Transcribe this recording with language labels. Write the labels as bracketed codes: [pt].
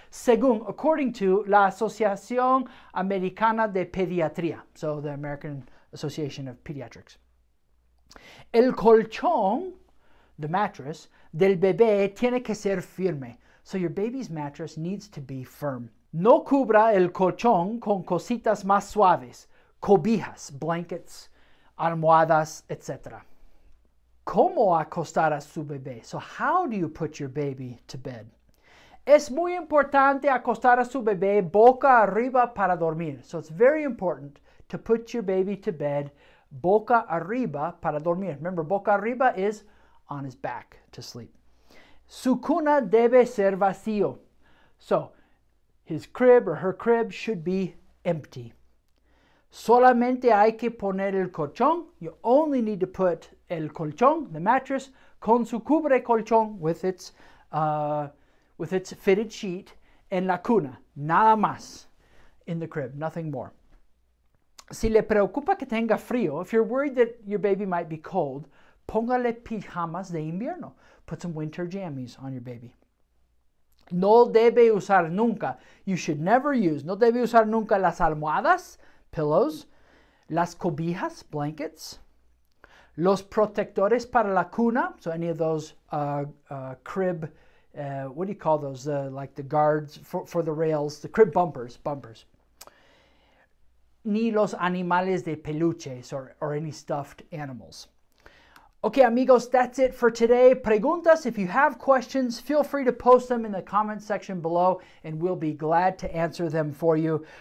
[es] Según, [en] according to [es] la Asociación Americana de Pediatría, [en] so the American Association of Pediatrics. [es] El colchón, [en] the mattress, [es] del bebé tiene que ser firme. [en] So your baby's mattress needs to be firm. [es] No cubra el colchón con cositas más suaves, cobijas, [en] blankets, [es] almohadas, etc. ¿Cómo acostar a su bebé? [en] So how do you put your baby to bed? [es] Es muy importante acostar a su bebé boca arriba para dormir. [en] So it's very important to put your baby to bed [es] boca arriba para dormir. [en] Remember, boca arriba is on his back to sleep. [es] Su cuna debe ser vacío. [en] So, his crib or her crib should be empty. [es] Solamente hay que poner el colchón. [en] You only need to put [es] el colchón, [en] the mattress, [es] con su cubre colchón, [en] with its fitted sheet, [es] en la cuna. Nada más. [en] In the crib, nothing more. [es] Si le preocupa que tenga frío, [en] if you're worried that your baby might be cold, [es] póngale pijamas de invierno. [en] Put some winter jammies on your baby. [es] No debe usar nunca. [en] You should never use. [es] No debe usar nunca las almohadas, [en] pillows, [es] las cobijas, [en] blankets, [es] los protectores para la cuna. [en] So any of those crib, what do you call those? Like the guards for the rails, the crib bumpers. [es] Ni los animales de peluches [en] or any stuffed animals. Okay, amigos, that's it for today. Preguntas, if you have questions, feel free to post them in the comment section below and we'll be glad to answer them for you.